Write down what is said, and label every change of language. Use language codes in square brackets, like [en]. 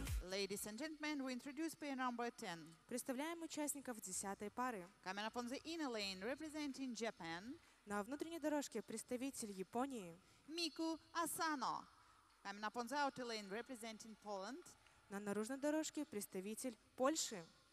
[en] Ladies and gentlemen, we introduce pair number 10. [ru] Представляем участников десятой пары. [en] Coming up on the inner lane, representing Japan. [ru] На внутренней дорожке представитель Японии. Мику Асано. [en] Coming up on the outer lane, representing Poland. [ru] На наружной дорожке представитель Польши.